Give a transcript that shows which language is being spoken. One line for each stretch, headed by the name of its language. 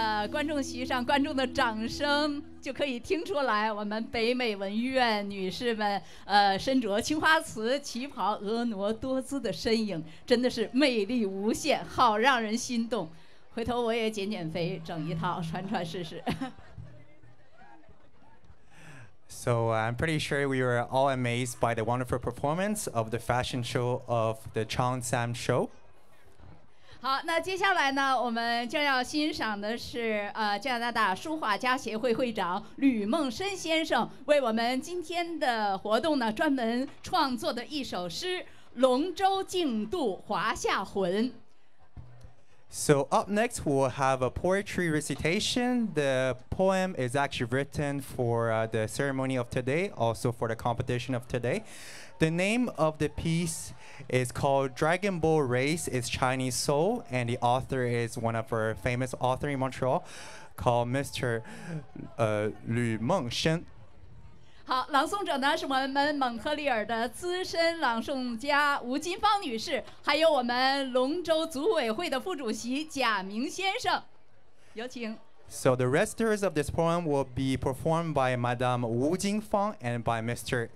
Chinese: 观众席上观众的掌声就可以听出来，我们北美文艺院女士们身着青花瓷旗袍婀娜多姿的身影，真的是魅力无限，好让人心动。回头我也减减肥，整一套穿穿试试。
English: So I'm pretty sure we were all amazed by the wonderful performance of the fashion show of the Changsam show.
Chinese: 好，那接下来呢，我们将要欣赏的是加拿大书画家协会会长吕梦申先生为我们今天的活动呢专门创作的一首诗《龙舟竞渡华夏魂》。
English: So up next, we'll have a poetry recitation. The poem is actually written for the ceremony of today, also for the competition of today. The name of the piece is called Dragon Ball Race is Chinese Soul, and the author is one of our famous authors in Montreal called Mr. Lü Mengshen.
Chinese: 好，朗诵者呢是我们蒙特利尔的资深朗诵家吴金芳女士，还有我们龙舟组委会的副主席贾明先生，有请。
English: So the recitation of this poem will be performed by Madame Wu Jingfang and by Mr.